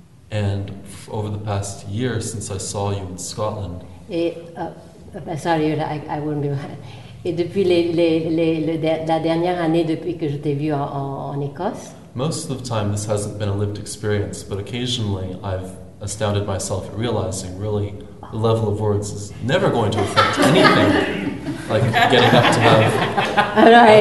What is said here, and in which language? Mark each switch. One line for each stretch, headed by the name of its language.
English: And over the past year, since I saw you in Scotland. Et, sorry, I wouldn't be.
French: Et depuis la dernière année depuis que je t'ai vu en Écosse.
English: Most of the time, this hasn't been a lived experience, but occasionally, I've astounded myself at realizing really the level of words is never going to affect anything, like getting up to have